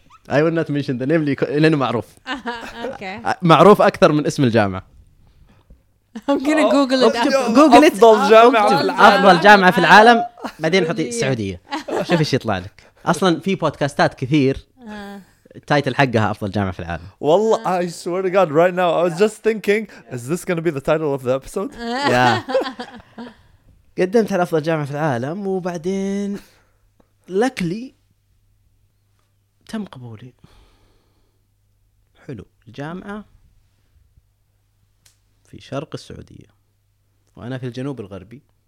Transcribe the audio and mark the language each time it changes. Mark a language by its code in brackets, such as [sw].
[en] I will not mention the name [ar] لأنه معروف. [en] Okay. [ar] معروف أكثر من اسم الجامعة. [en] I'm gonna Google it. Google it. [ar] أفضل جامعة في العالم. أفضل جامعة في العالم. بعدين حطي السعودية. شوف إيش يطلع لك. أصلاً في بودكاستات كثير تايتل حقها أفضل جامعة في العالم. [en] والله I swear to God right now I was just thinking is this gonna be the title of the episode. Yeah. [ar] قدمت على أفضل جامعة في العالم وبعدين luckily تم قبولي. حلو. الجامعة في شرق السعودية وأنا في الجنوب الغربي.